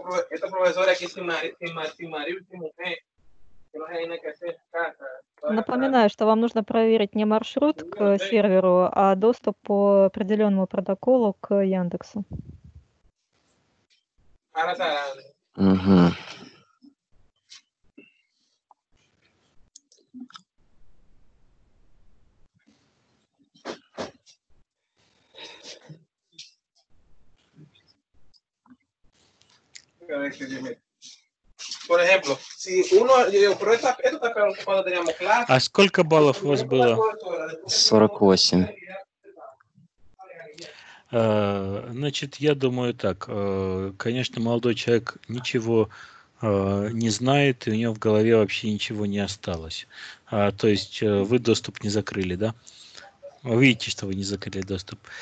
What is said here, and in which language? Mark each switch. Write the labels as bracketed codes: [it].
[es] Esta profesora aquí sin marido y sin mujer, que no hay nada que hacer en casa. [ru] Напоминаю, что вам нужно проверить не маршрут к серверу, а доступ по определенному протоколу к Яндексу. Угу. [es] Por ejemplo, si uno, pero esto está peor que cuando teníamos clase. [ru] А сколько баллов у вас было? 48. Значит, я думаю так. Конечно, молодой человек ничего не знает, и у него в голове вообще ничего не осталось. То есть вы доступ не закрыли, да? Вы видите, что вы не закрыли доступ.